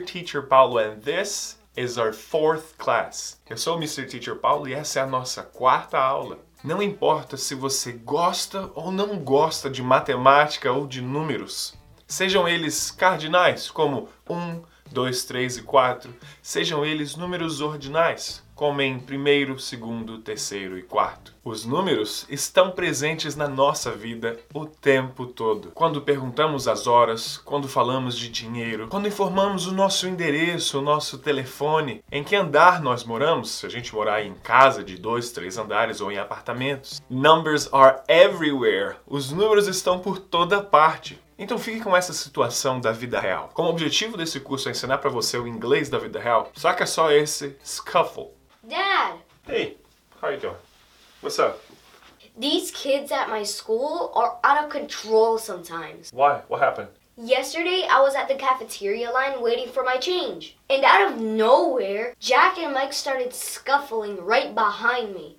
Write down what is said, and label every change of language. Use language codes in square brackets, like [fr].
[en] Teacher Paulo, and this is our fourth class. [pt] Eu sou o Mr. Teacher Paulo e essa é a nossa quarta aula. Não importa se você gosta ou não gosta de matemática ou de números, sejam eles cardinais, como 1, 2, 3 e 4, sejam eles números ordinais, como em primeiro, segundo, terceiro e quarto. Os números estão presentes na nossa vida o tempo todo. Quando perguntamos as horas, quando falamos de dinheiro, quando informamos o nosso endereço, o nosso telefone, em que andar nós moramos, se a gente morar em casa de 2, 3 andares ou em apartamentos. [en] Numbers are everywhere. [pt] Os números estão por toda parte. Então fique com essa situação da vida real. Como objetivo desse curso é ensinar pra você o inglês da vida real, saca só esse scuffle. [en] Dad! Hey, how you doing? What's up? These kids at my school are out of control sometimes. Why? What happened? Yesterday, I was at the cafeteria line waiting for my change. And out of nowhere, Jack and Mike started scuffling right behind me.